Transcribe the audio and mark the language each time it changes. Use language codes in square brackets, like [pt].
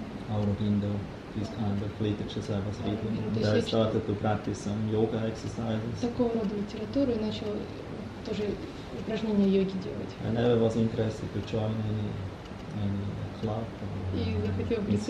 [en] Aurobindo, these kind of literatures I was reading. And I started to practice some yoga exercises. [ru] Такого рода литературу и начал тоже упражнения йоги делать. [en] I never was interested to join any club or